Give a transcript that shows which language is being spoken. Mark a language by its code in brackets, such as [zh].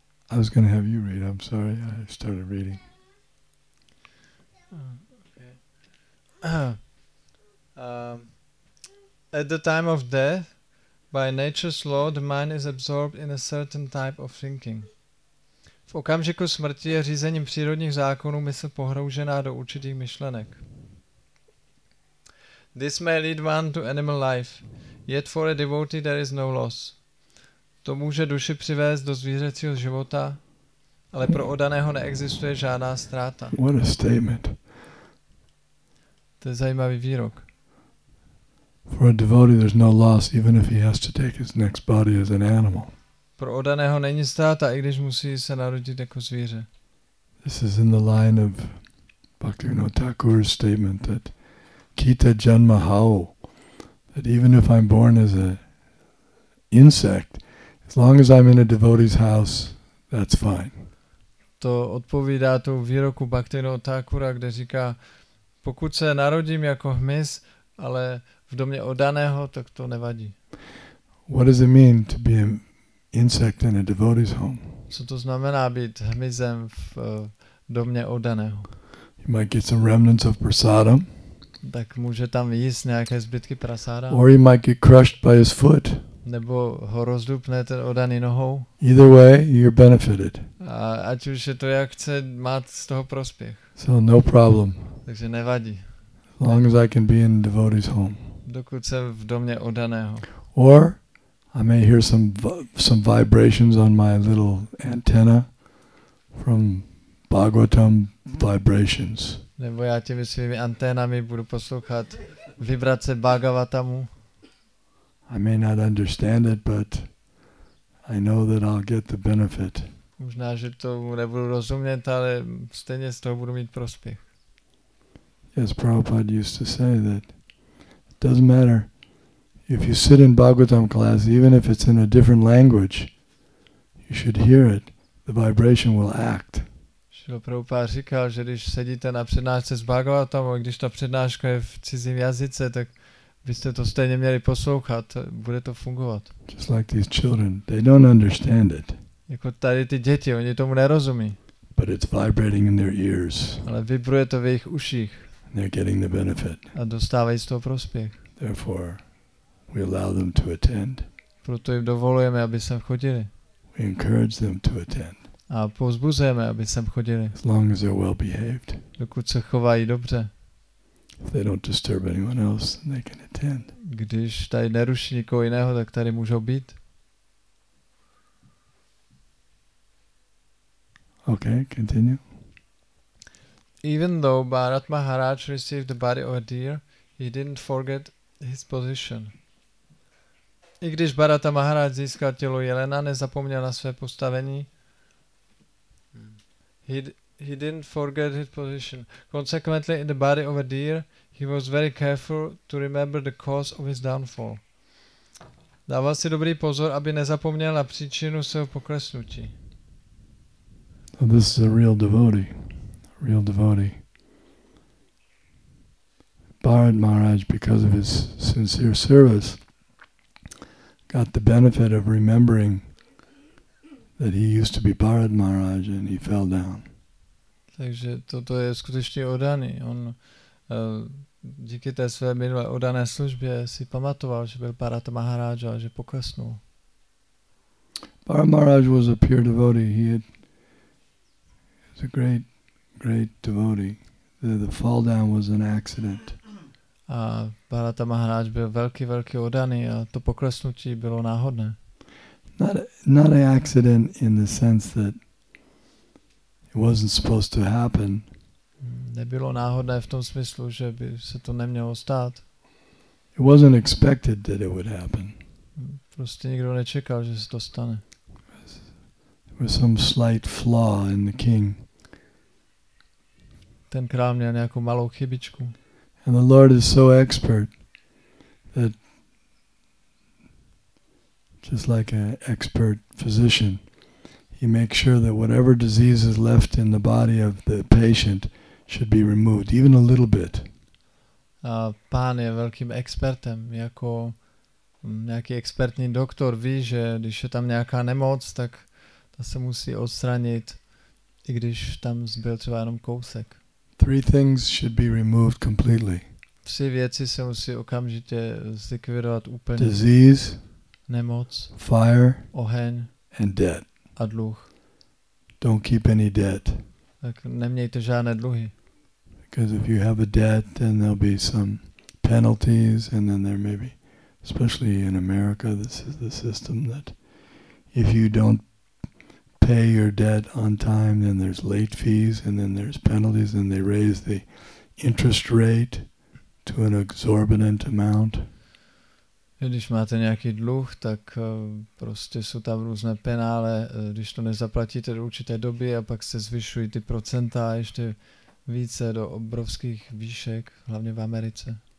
[en] I was going to have you read, I'm sorry, I started reading. At the time of death, by nature's law, the mind is absorbed in a certain type of thinking. [cs] V okamžiku smrti je řízením přírodních zákonů mysl pohroužená do určitých myšlenek. [en] This may lead one to animal life, yet for a devotee there is no loss. [cs] To může duši přivést do zvířecího života, ale pro oddaného neexistuje žádná ztráta. [en] What a statement. [cs] To je zajímavý výrok. [en] For a devotee there's no loss even if he has to take his next body as an animal. [cs] Pro oddaného není ztráta, i když musí se narodit jako zvíře. [en] This is in the line of Bhaktivinoda Thakur's statement that [bn] kita janma hao, [en] that even if I'm born as an insect, as long as I'm in a devotee's house, that's fine. [cs] To odpovídá tu výroku Bhaktivinoda Thakura, kde říká, pokud se narodím jako hmyz, ale v domě oddaného, tak to nevadí. [en] What does it mean to be an insect in a devotee's home? [cs] Co to znamená být hmyzem v domě oddaného? [en] You might get some remnants of prasadam. [cs] Tak může tam jíst nějaké zbytky prasada. [en] Or you might get crushed by his foot. [cs] Nebo ho rozdupne ten oddaný nohou. [en] Either way, you're benefited. [cs] A ať už je to jak chce, má z toho prospěch. [en] So no problem. [cs] Takže nevadí. [en] As long as I can be in devotee's home. [cs] Dokud jsem v domě oddaného. [en] Or I may hear some vibrations on my little antenna from Bhagavatam vibrations. [cs] Nebo já těmi svými anténami budu poslouchat vibrace Bhagavatamu. [en] I may not understand it, but I know that I'll get the benefit. [cs] Možná, že to nebudu rozumět, ale stejně z toho budu mít prospěch. [en] As Prabhupada used to say that it doesn't matter if you sit in Bhagavatam class, even if it's in a different language, you should hear it. The vibration will act. [cs] Srila Prabhupada říkal, že když sedíte na přednášce s Bhagavatam, když ta přednáška je v cizím jazyce, tak byste to stejně měli poslouchat, bude to fungovat. [en] Just like these children, they don't understand it. [cs] Jako tady ty děti, oni tomu nerozumí. [en] But it's vibrating in their ears. [cs] Ale vibruje to v jejich uších. [en] They're getting the benefit. [cs] A dostávají z toho prospěch. [en] Therefore, we allow them to attend. [cs] Proto jim dovolujeme, aby sem chodili. [en] We encourage them to attend. [cs] A povzbuzujeme, aby sem chodili. [en] As long as they're well behaved. [cs] Dokud se chovají dobře. [en] If they don't disturb anyone else, then they can attend. [cs] Když tady neruší nikoho jiného, tak tady můžou být. [en] Okay, continue. Even though Bharat Maharaj received the body of a deer, he didn't forget his position. [cs] I když Bharata Maharaj získal tělo jelena, nezapomněl na své postavení. [en] he didn't forget his position. Consequently, in the body of a deer, he was very careful to remember the cause of his downfall. [cs] Dával si dobrý pozor, aby nezapomněl na příčinu svého poklesnutí. [en] So this is a real devotee. Real devotee. Bharat Maharaj, because of his sincere service, got the benefit of remembering that he used to be Bharat Maharaj and he fell down. [cs] Takže toto je skutečně oddaný. On díky té své minulé oddané službě si pamatoval, že byl Bharat Maharaj a že poklesnul. [en] Bharat Maharaj was a pure devotee. He was a great devotee. The fall down was an accident. [cs] A Bharat Maharaj byl velký oddaný a to poklesnutí bylo náhodné. [en] Not an accident in the sense that it wasn't supposed to happen. [cs] Nebylo náhodné v tom smyslu, že by se to nemělo stát. [en] It wasn't expected that it would happen. [cs] Prostě nikdo nečekal, že se to stane. [en] There was some slight flaw in the king. [cs] Ten král měl nějakou malou chybičku. [en] And the Lord is so expert that just like an expert physician, he makes sure that whatever disease is left in the body of the patient should be removed, even a little bit. [cs] A pán je velkým expertem, jako nějaký expertní doktor ví, že když je tam nějaká nemoc, tak ta se musí odstranit, i když tam zbyl třeba jenom kousek. [en] Three things should be removed completely. [cs] Tři věci se musí okamžitě zlikvidovat úplně. [en] Disease, [cs] nemoc, [en] fire, [cs] oheň, [en] and debt. [cs] A dluh. [en] Don't keep any debt. [cs] Tak nemějte žádné dluhy. [en] Because if you have a debt, then there'll be some penalties, and then there may be, especially in America, this is the system that if you don't pay your debt on time, then there's late fees, and then there's penalties, and they raise the interest rate to an exorbitant amount. [cs] Když máte nějaký dluh, tak prostě jsou tam různé penále, když to nezaplatíte do určité doby a pak se zvyšují ty procenta ještě více do obrovských výšek, hlavně v Americe.